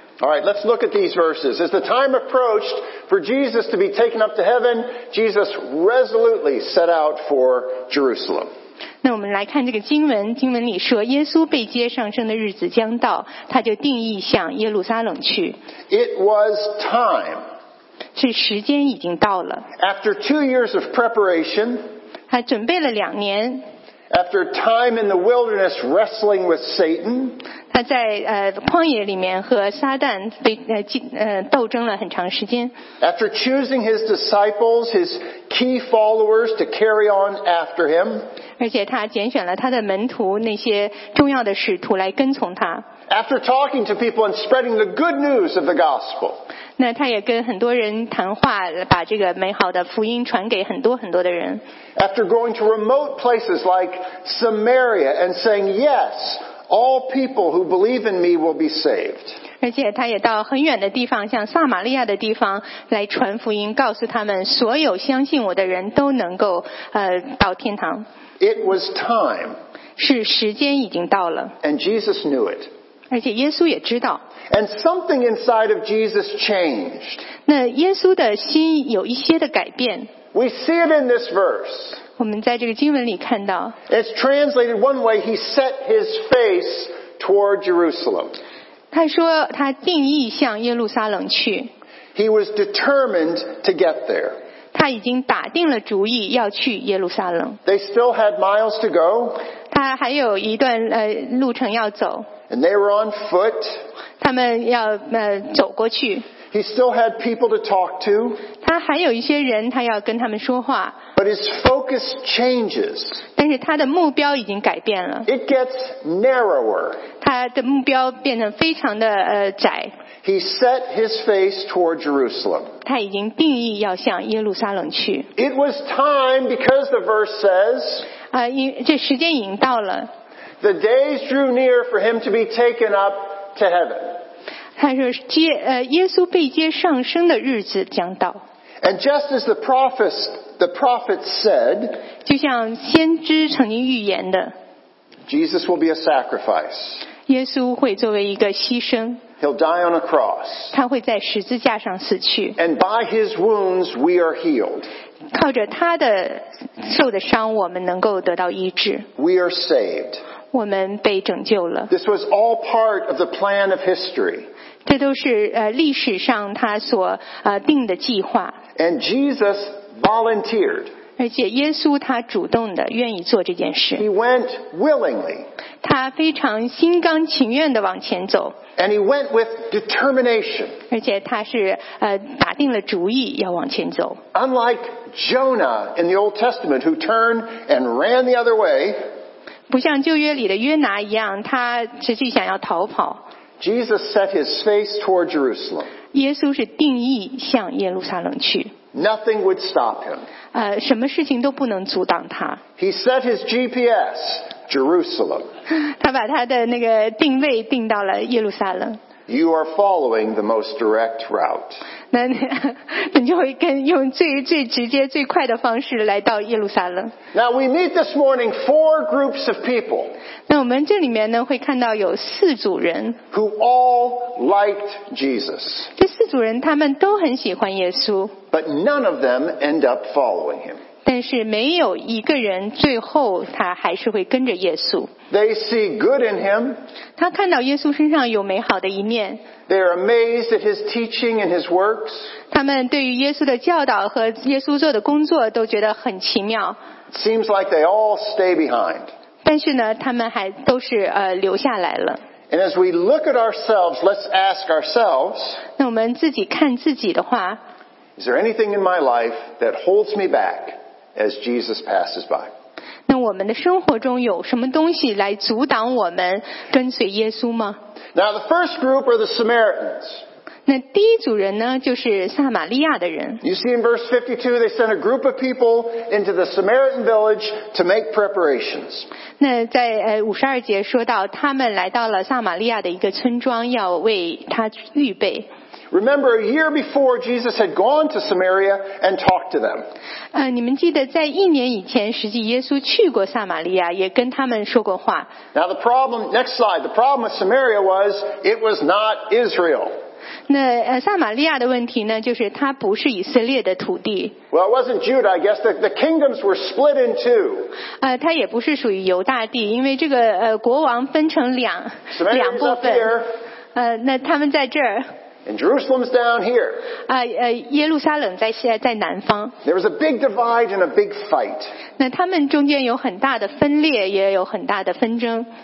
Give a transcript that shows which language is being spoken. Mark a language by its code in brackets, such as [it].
[en] All right, let's look at these verses. As the time approached for Jesus to be taken up to heaven, Jesus resolutely set out for Jerusalem. [zh] 那我们来看这个经文，经文里说，耶稣被接上升的日子将到，他就定意向耶路撒冷去。 [en] It was time. [zh] 是时间已经到了。 [en] After 2 years of preparation, [zh] 他准备了两年。 [en] After time in the wilderness wrestling with Satan, [zh] 他在旷野里面和撒旦被斗争了很长时间。 [en] After choosing his disciples, his key followers to carry on after him, [zh] 而且他拣选了他的门徒，那些重要的使徒来跟从他。 [en] After talking to people and spreading the good news of the gospel, [zh] 那他也跟很多人谈话，把这个美好的福音传给很多很多的人。 [en] After going to remote places like Samaria and saying, "Yes, all people who believe in me will be saved." [zh] 而且他也到很远的地方，像撒玛利亚的地方来传福音，告诉他们所有相信我的人都能够到天堂。 [en] It was time. [zh] 是时间已经到了。 [en] And Jesus knew it. [zh] 而且耶稣也知道。 [en] And something inside of Jesus changed. [zh] 那耶稣的心有一些的改变。 [en] We see it in this verse. [zh] 我们在这个经文里看到。 [en] It's translated one way, he set his face toward Jerusalem. [zh] 他说他定意向耶路撒冷去。 [en] He was determined to get there. [zh] 他已经打定了主意要去耶路撒冷。 [en] They still had miles to go. [zh] 他还有一段路程要走。 [en] And they were on foot. [zh] 他们要走过去。 [en] He still had people to talk to. [zh] 他还有一些人，他要跟他们说话。 [en] But his focus changes. [zh] 但是他的目标已经改变了。 [en] It gets narrower. [zh] 他的目标变得非常的窄。 [en] He set his face toward Jerusalem. [zh] 他已经定义要向耶路撒冷去。 [en] It was time because the verse says. [zh] 这时间已经到了。 [en] The days drew near for him to be taken up to heaven. [zh] 他说耶稣被接上升的日子将到。 [en] And just as the prophet said, [zh] 就像先知曾经预言的， [en] Jesus will be a sacrifice. [zh] 耶稣会作为一个牺牲。 [en] He'll die on a cross. [zh] 他会在十字架上死去。 [en] And by his wounds we are healed. [zh] 靠着他的受的伤，我们能够得到医治。 [en] We are saved. [zh] 我们被拯救了。 [en] This was all part of the plan of history. [zh] 这都是历史上他所定的计划。 [en] And Jesus volunteered. [zh] 而且耶稣他主动的愿意做这件事。 [en] He went willingly. [zh] 他非常心甘情愿的往前走。 [en] And he went with determination. [zh] 而且他是打定了主意要往前走。 [en] Unlike Jonah in the Old Testament who turned and ran the other way. [zh] 不像旧约里的约拿一样，他实际想要逃跑。 [en] Jesus set his face toward Jerusalem. [zh] 耶稣是定义向耶路撒冷去。 [en] Nothing would stop him. [zh] 什么事情都不能阻挡他。 [en] He set his GPS, Jerusalem. [zh] 他把他的那个定位定到了耶路撒冷。 [en] You are following the most direct route. [zh] 那你就会用最直接、最快的方式来到耶路撒冷。 [en] Now we meet this morning four groups of people. [zh] 那我们这里面呢，会看到有四组人。 [en] Who all liked Jesus. [zh] 这四组人他们都很喜欢耶稣。 [en] But none of them end up following him. [zh] 但是没有一个人最后他还是会跟着耶稣。 [en] They see good in him. [zh] 他看到耶稣身上有美好的一面。 [en] They are amazed at his teaching and his works. [zh] 他们对于耶稣的教导和耶稣做的工作都觉得很奇妙。 [en] Seems like they all stay behind. [zh] 但是呢，他们还都是留下来了。 [en] And as we look at ourselves, let's ask ourselves, [zh] 那我们自己看自己的话, [en] is there anything in my life that holds me back as Jesus passes by? [zh] 那我们的生活中有什么东西来阻挡我们跟随耶稣吗? [en] Now the first group are the Samaritans. [zh] 那第一组人呢,就是撒玛利亚的人。 [en] You see in verse 52, they sent a group of people into the Samaritan village to make preparations. [zh] 那在52节说到,他们来到了撒玛利亚的一个村庄,要为他预备。 [en] Remember, a year before, Jesus had gone to Samaria and talked to them. [zh] 你们记得在一年以前，实际耶稣去过撒玛利亚，也跟他们说过话。 [en] Now the problem, next slide, the problem with Samaria was, it was not Israel. [zh] 那撒玛利亚的问题呢，就是它不是以色列的土地。 [en] Well, it wasn't Judah, I guess. The kingdoms were split in two. [zh] 它也不是属于犹大地，因为这个国王分成两部分。那他们在这儿。 [en] And Jerusalem's down here. [zh] 耶路撒冷在南方。 [en] There was a big divide and a big fight. [zh] 那他们中间有很大的分裂，也有很大的纷争。